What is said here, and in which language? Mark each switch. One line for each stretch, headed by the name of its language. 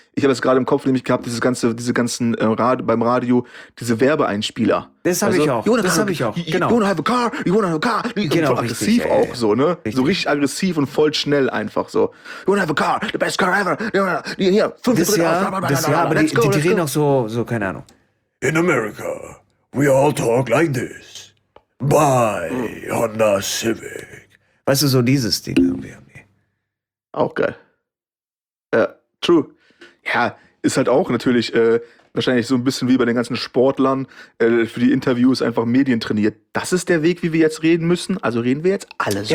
German: Ich habe das gerade im Kopf nämlich gehabt, beim Radio, diese Werbeeinspieler. Das habe ich auch. Das habe ich auch. Genau.
English: You wanna have a car? You wanna have a car?
German: Genau, voll aggressiv richtig, auch so, ne? Richtig. So richtig aggressiv und voll schnell einfach so.
English: You wanna have a car? The best car ever.
German: Hier, 5 Brille auf. Das Jahr, aber die reden auch so, keine Ahnung.
English: In America, we all talk like this. Buy Honda Civic.
German: Weißt du, so dieses Ding irgendwie. Auch geil. Ja, true. Ja, ist halt auch natürlich wahrscheinlich so ein bisschen wie bei den ganzen Sportlern für die Interviews einfach Medien trainiert. Das ist der Weg, wie wir jetzt reden müssen. Also reden wir jetzt alle so.